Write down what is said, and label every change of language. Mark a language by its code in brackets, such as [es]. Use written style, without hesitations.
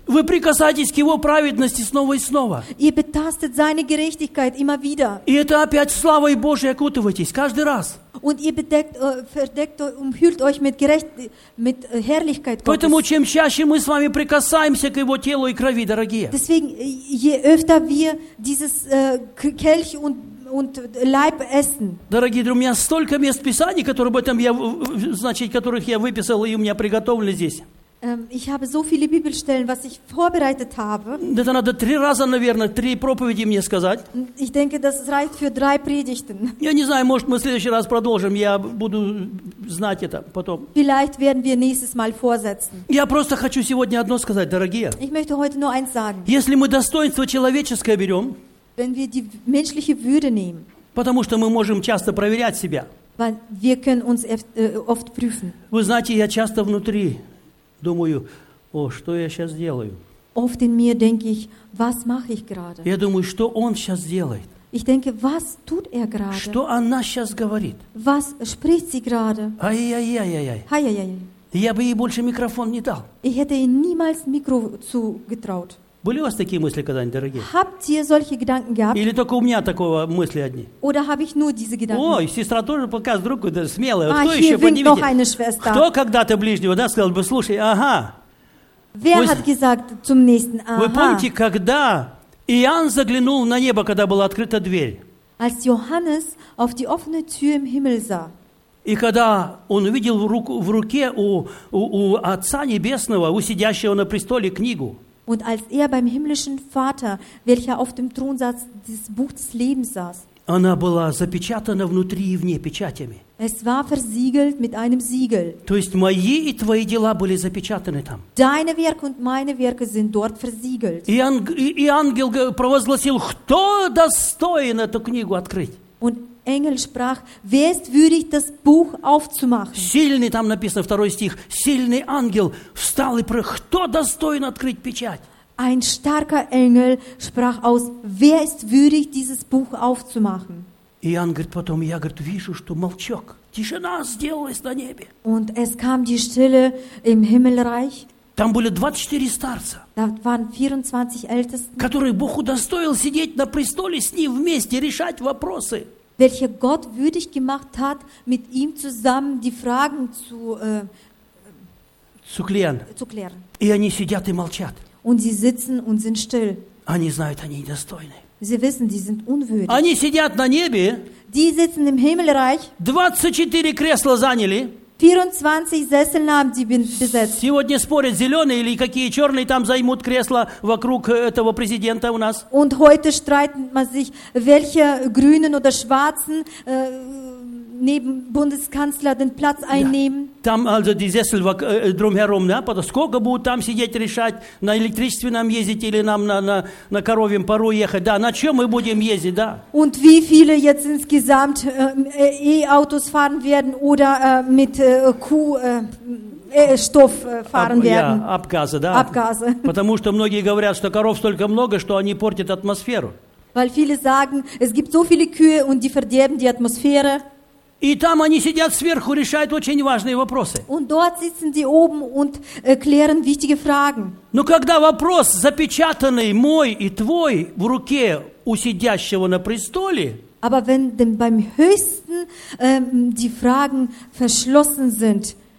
[ru] вы прикасаетесь к его праведности снова и снова. [de] Ihr betastet seine Gerechtigkeit immer wieder. [ru] И это опять славой Божией окутываетесь каждый раз. [de] Und ihr bedeckt, verdeckt, umhüllt euch mit Herrlichkeit Gottes. [ru] Поэтому чем чаще мы с вами прикасаемся к его телу и крови, дорогие. [de] Deswegen je öfter wir dieses Kelch und Leib essen. [ru] Дорогие друзья, у меня столько мест в Писании, которые об этом я, значит, которых я выписал и у меня приготовлены здесь. [de] Ich habe so viele Bibelstellen, was ich vorbereitet habe. [ru] Это надо три раза, наверное, три проповеди мне сказать. [de] Ich denke, das reicht für drei Predigten. [ru] Я не знаю, может, мы в следующий раз продолжим. Я буду знать это потом. [de] Vielleicht werden wir nächstes Mal vorsetzen. [ru] Я просто хочу сегодня одно сказать, дорогие. [de] Ich möchte heute nur eins sagen. [ru] Если мы достоинство человеческое берем, [de] wenn wir die menschliche Würde nehmen, [ru] потому что мы можем часто проверять себя, [de] weil wir können uns oft prüfen. [ru] Вы знаете, я часто внутри думаю, о, что я сейчас делаю? [de] Oft in mir denke ich, was mache ich gerade? [ru] Я думаю, что он сейчас делает? [de] Ich denke, was tut gerade? [ru] Что она сейчас говорит? [de] Was spricht sie gerade? [ru] Я бы ей больше микрофон не дал. [de] Ich hätte ihr niemals Mikro zugetraut. [ru] Были у вас такие мысли когда-нибудь, дорогие? [de] Habt ihr solche Gedanken gehabt? [ru] Или только у меня такого мысли одни? [de] Oder habe ich nur diese Gedanken? [ru] Ой, сестра тоже показывает руку, да, смелая. Ah, кто [de] hier winkt noch eine Schwester. [ru] Кто когда-то ближнего, да, сказал бы, слушай, ага. [de] Wer hat gesagt zum nächsten, ага. [ru] Вы помните, когда Иоанн заглянул на небо, когда была открыта дверь? [de] Als Johannes auf die offene Tür im Himmel sah. [ru] И когда он увидел в руке у Отца Небесного, у сидящего на престоле книгу, [de] und als beim himmlischen Vater, welcher auf dem Thron saß, des Buch des Lebens saß. [ru] Она была запечатана внутри и вне печатями. [de] Es war versiegelt mit einem Siegel. [ru] То есть мои и твои дела были запечатаны там. [de] Deine Werke und meine Werke sind dort versiegelt. [ru] И ангел провозгласил, кто достоин эту книгу открыть? [de] Und Engel sprach, wer ist würdig, das Buch aufzumachen? [ru] Сильный, там написано, второй стих, сильный ангел встал и прыг, кто достоин открыть печать? [de] Ein starker Engel sprach aus, wer ist würdig, dieses Buch aufzumachen? [ru] И ангел говорит потом, я, говорит, вижу, что молчок, тишина сделалась на небе. [de] Und es kam die Stille im Himmelreich. [ru] Там были 24 старца, [de] da waren 24 Ältesten, [ru] которые Бог удостоил сидеть на престоле с ним вместе, решать вопросы. [de] Welche Gott würdig gemacht hat, mit ihm zusammen die Fragen zu klären. [ru] И они сидят и молчат. [de] Und sie sitzen und sind still. [ru] Они знают, они недостойны. [de] Sie wissen, die sind unwürdig. [ru] Они сидят на небе. [de] Die sitzen im Himmelreich. [ru] 24 кресла заняли. [de] 24 Sessel haben sie besetzt. [ru] Сегодня спорят, зеленые или какие черные там займут кресла вокруг этого президента у нас. [de] Und heute streiten man sich, welche Grünen oder Schwarzen neben Bundeskanzler den Platz einnehmen. Ja. [ru] Там [de] also die Sessel drumherum, ja, [ru] потому сколько будут там сидеть решать, на электричестве нам ездить или нам на коровьем пару ехать, да, на чем мы будем ездить, да? [de] Und wie viele jetzt insgesamt E-Autos fahren werden oder mit Kuhstoff fahren werden? Abgase, да. Abgase. [ru] Потому что многие говорят, что коров столько много, что они портят атмосферу. [de] Weil viele sagen, es gibt so viele Kühe und die verderben die Atmosphäre. [ru] И там они сидят сверху, решают очень важные вопросы. [de] Und dort sitzen die oben und klären wichtige Fragen. [ru] Но когда вопрос, запечатанный мой и твой, в руке у сидящего на престоле, [de] aber wenn denn beim höchsten die Fragen verschlossen sind,